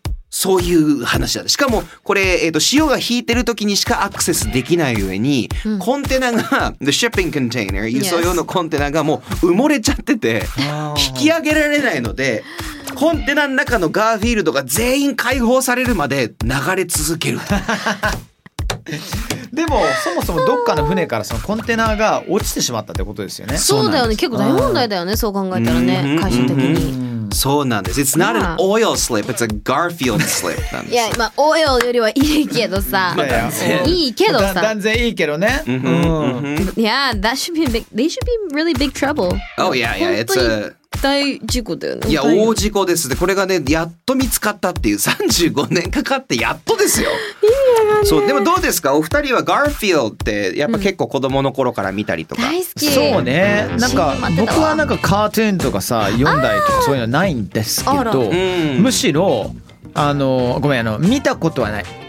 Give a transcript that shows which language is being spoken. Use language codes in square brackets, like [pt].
[ja] そういう話だ、しかもこれ、潮が引いてる時にしかアクセスできない上に、コンテナが [en] The shipping container [ja] 輸送用のコンテナがもう埋もれちゃってて、引き上げられないので、コンテナの中のガーフィールドが全員解放されるまで流れ続けるでもそもそもどっかの船からそのコンテナが落ちてしまったってことですよね、そうだよね、結構大問題だよね、そう考えたらね、会社的に、そうなんです。 [en] It's not an oil slip, it's a Garfield slip. [ja] いや、まあ、オイルよりはいいけどさ。いいけどさ。断然いいけどね。 [en] Yeah, that should be big, they should be really big trouble. Oh, yeah, yeah, it's a... [ja] 大事故だよね。いや大事故です。でこれがねやっと見つかったっていう35年かかってやっとですよ。いいよね。そうでもどうですか、お二人はガーフィールドってやっぱ結構子供の頃から見たりとか。大好き。そうね。なんか僕はなんかカートゥーンとかさ読んだりとかそういうのないんですけど、むしろあのごめんあの見たことはない。